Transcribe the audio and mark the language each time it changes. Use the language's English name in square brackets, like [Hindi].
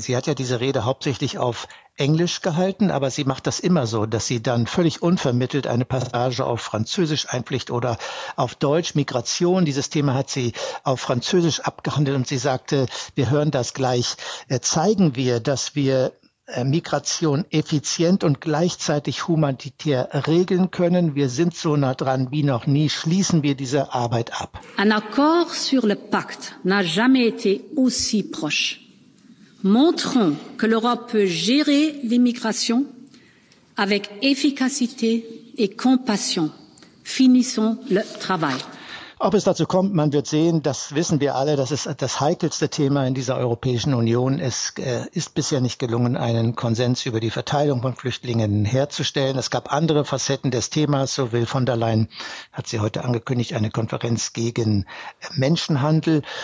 [German] Sie hat ja diese Rede hauptsächlich auf Englisch gehalten, aber sie macht das immer so, dass sie dann völlig unvermittelt eine Passage auf Französisch einfliegt oder auf Deutsch. Migration, dieses Thema hat sie auf Französisch abgehandelt und sie sagte, wir hören das gleich, zeigen wir, dass wir Migration effizient und gleichzeitig humanitär regeln können. Wir sind so nah dran wie noch nie. Schließen wir diese Arbeit ab. [French] Un accord sur le pacte n'a jamais été aussi proche. Montrons que l'Europe peut gérer l'immigration avec efficacité et compassion. Finissons le travail. [German] Ob es dazu kommt, man wird sehen, das wissen wir alle, das ist das heikelste Thema in dieser Europäischen Union. Es ist bisher nicht gelungen, einen Konsens über die Verteilung von Flüchtlingen herzustellen. Es gab andere Facetten des Themas, so will von der Leyen, hat sie heute angekündigt, eine Konferenz gegen Menschenhandel.